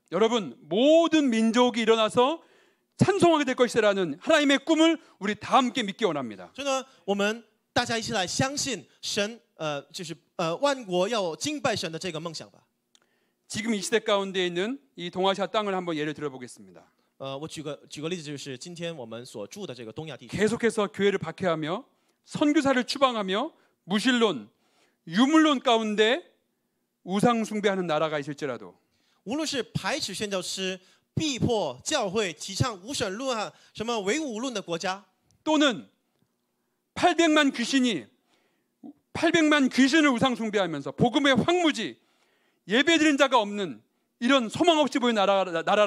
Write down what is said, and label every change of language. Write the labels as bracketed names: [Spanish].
[Korean] 여러분, 모든 민족이 일어나서 찬송하게 될 것이라는 하나님의 꿈을 우리 다 함께 믿기 원합니다. 저는 [Chinese] 我们大家一起来相信神，就是万国要敬拜神的这个梦想吧。 [Korean] 지금 이 시대 가운데 있는 이 동아시아 땅을 한번 예를 들어보겠습니다. [Chinese] 我举个例子，就是今天我们所住的这个东亚地区。 [Korean] 계속해서 교회를 박해하며 선교사를 추방하며 무신론, 유물론 가운데 우상 숭배하는 나라가 있을지라도. [Chinese] 无论是排斥宣教师。逼迫教会提倡无神论啊，什么唯物论的国家？ [Korean] 또는 800만 귀신이 800만 귀신을 우상 숭배하면서 복음의 황무지 예배드린 자가 없는 이런 소망 없이 보이는 나라라